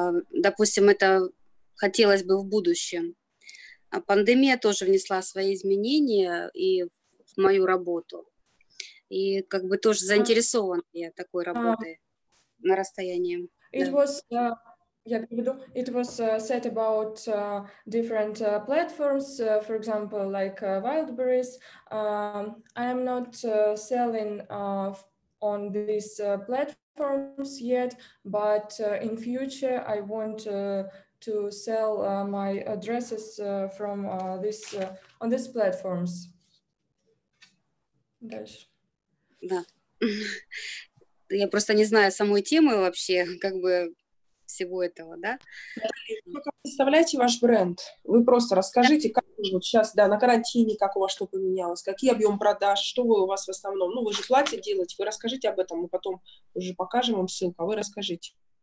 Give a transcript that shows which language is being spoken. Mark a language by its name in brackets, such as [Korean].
[Russian] Допустим, это хотелось бы в будущем. Пандемия тоже внесла свои изменения и в мою работу. И как бы тоже заинтересован я такой работой на расстоянии. [English] It was, [Russian] я переведу. [English] It was said about different platforms, for example, like Wildberries. I am not selling on these platforms yet, but in future I want to sell my dresses from this on these platforms. [Russian] Дальше. Да. Я просто не знаю самой темы вообще, как бы всего этого, да? Как вы представляете ваш бренд? Вы просто расскажите, как вы вот сейчас, да, на карантине, как у вас что поменялось, какие объемы продаж, что вы у вас в основном, ну, вы же платье делаете, вы расскажите об этом, мы потом уже покажем вам ссылку, а вы расскажите.